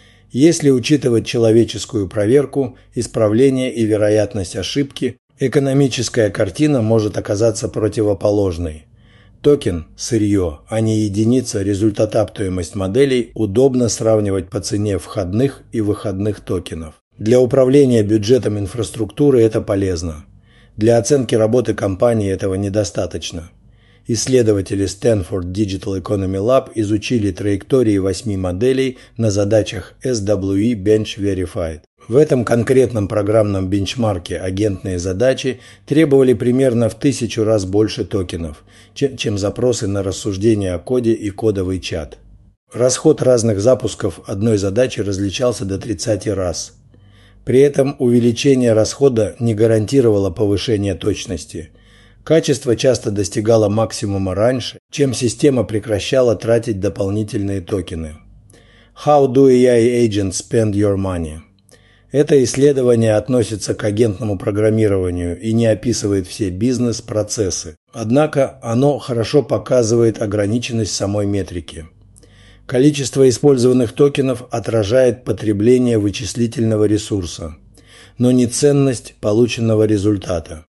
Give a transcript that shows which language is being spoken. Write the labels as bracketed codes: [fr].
[ru] Если учитывать человеческую проверку, исправление и вероятность ошибки, экономическая картина может оказаться противоположной. Токен – сырье, а не единица результатоптимость моделей удобно сравнивать по цене входных и выходных токенов. Для управления бюджетом инфраструктуры это полезно. Для оценки работы компании этого недостаточно. Исследователи Stanford Digital Economy Lab изучили траектории 8 моделей на задачах SWE Bench Verified. В этом конкретном программном бенчмарке агентные задачи требовали примерно в 1000 раз больше токенов, чем запросы на рассуждение о коде и кодовый чат. Расход разных запусков одной задачи различался до 30 раз. При этом увеличение расхода не гарантировало повышение точности. Качество часто достигало максимума раньше, чем система прекращала тратить дополнительные токены. [en] How do AI agents spend your money? [ru] Это исследование относится к агентному программированию и не описывает все бизнес-процессы. Однако оно хорошо показывает ограниченность самой метрики. Количество использованных токенов отражает потребление вычислительного ресурса, но не ценность полученного результата.